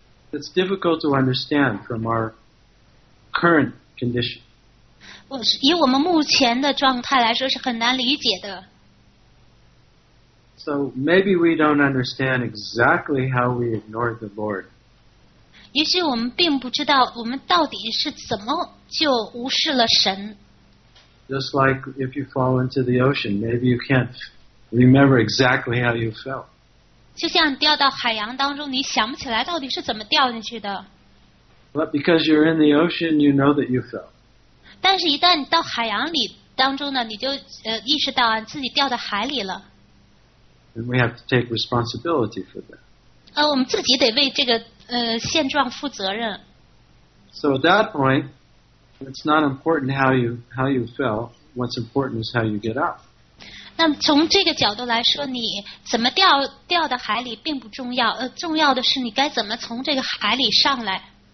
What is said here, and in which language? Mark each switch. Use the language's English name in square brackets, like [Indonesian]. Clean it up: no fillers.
[English] It's difficult to understand from our current condition. [Chinese] 以我们目前的状态来说是很难理解的。 [English] So maybe we don't understand exactly how we ignore the Lord. [Chinese] 也许我们并不知道我们到底是怎么就无视了神。 [English] Just like if you fall into the ocean, maybe you can't remember exactly how you fell. [Chinese] 就像掉到海洋当中，你想不起来到底是怎么掉进去的。 [English] But because you're in the ocean, you know that you fell. [Chinese] 但是一旦你到海洋里当中呢，你就意识到自己掉到海里了。 [English] And we have to take responsibility for that. [Chinese] 我们自己得为这个现状负责任。 [English] So at that point, it's not important how you fell. What's important is how you get up. [Chinese] 那从这个角度来说，你怎么掉到海里并不重要，重要的是你该怎么从这个海里上来。